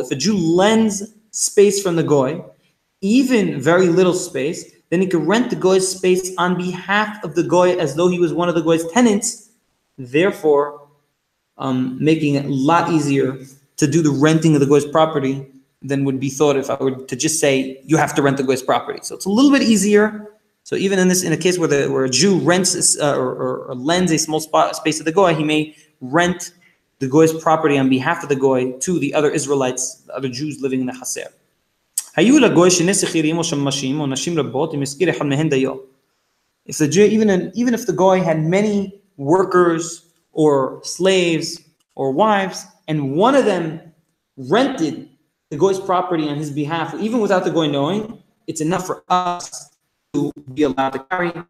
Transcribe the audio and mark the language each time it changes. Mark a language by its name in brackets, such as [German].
[English] If a Jew lends space from the goy, even very little space, then he could rent the goy's space on behalf of the goy as though he was one of the goy's tenants, therefore making it a lot easier to do the renting of the goy's property than would be thought if I were to just say, you have to rent the goy's property. So it's a little bit easier. So even in this, in a case where a Jew rents or lends a small space to the goy, he may rent the goy's property on behalf of the goy to the other Israelites, the other Jews living in the Haser. [Hebrew] היו לגוי שני שכירים או שמשים או נשים רבות, אם הזכיר אחד מהן דיו. [English] If the Jew, even if the goy had many workers or slaves or wives, and one of them rented the goy's property on his behalf, even without the goy knowing, it's enough for us to be allowed to carry.